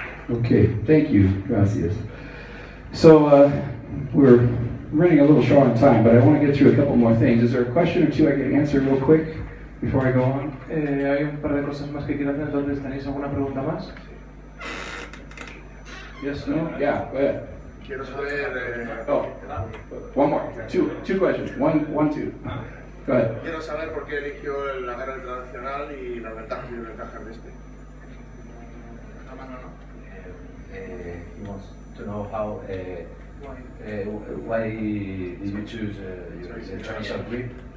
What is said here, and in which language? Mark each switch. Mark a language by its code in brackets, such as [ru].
[en] Okay, thank you, [es] gracias. [en] So we're running a little short on time, but I want to get through a couple more things. Is there a question or two I can answer real quick before I go on? [es] Hay un par de cosas más que quiero hacer. ¿Entonces tenéis alguna pregunta más? [en] Yes, no? Yeah, go ahead. [es] Quiero saber. [en] Oh, one more. Two questions. One, two. Go ahead. [es] Quiero saber por qué eligió la guerra tradicional y la ventaja y la ventaja de este. [en] He wants to know how why did you choose the traditional grip?